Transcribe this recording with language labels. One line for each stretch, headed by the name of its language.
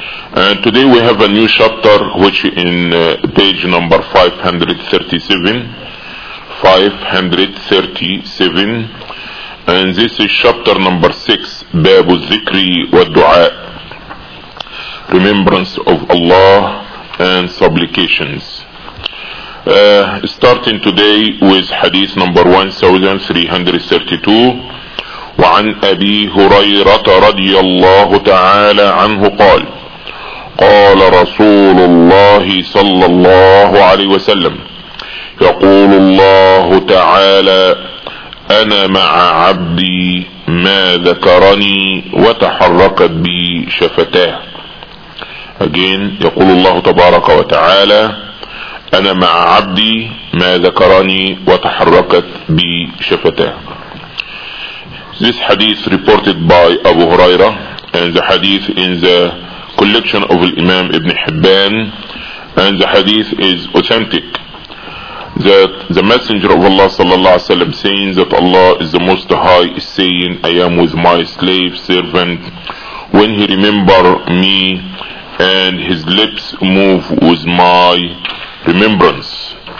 English: And today we have a new chapter, which in page number 537, and this is chapter number 6, Babu Zikri wa Dua, remembrance of Allah and supplications. Starting today with hadith number 1332.
Arabic: وعن أبي هريرة رضي الله تعالى عنه قال قال رسول الله صلى الله عليه وسلم يقول الله تعالى أنا مع عبدي ما ذكرني وتحركت بي شفتاه. Again, يقول الله تبارك وتعالى أنا مع عبدي ما ذكرني وتحركت بشفتاه.
English: This hadith reported by Abu Huraira, and the hadith in the collection of Imam Ibn Hibban, and the hadith is authentic, that the Messenger of Allah صلى الله عليه وسلم saying that Allah is the Most High is saying, I am with my slave servant when he remember me, and his lips move with my remembrance.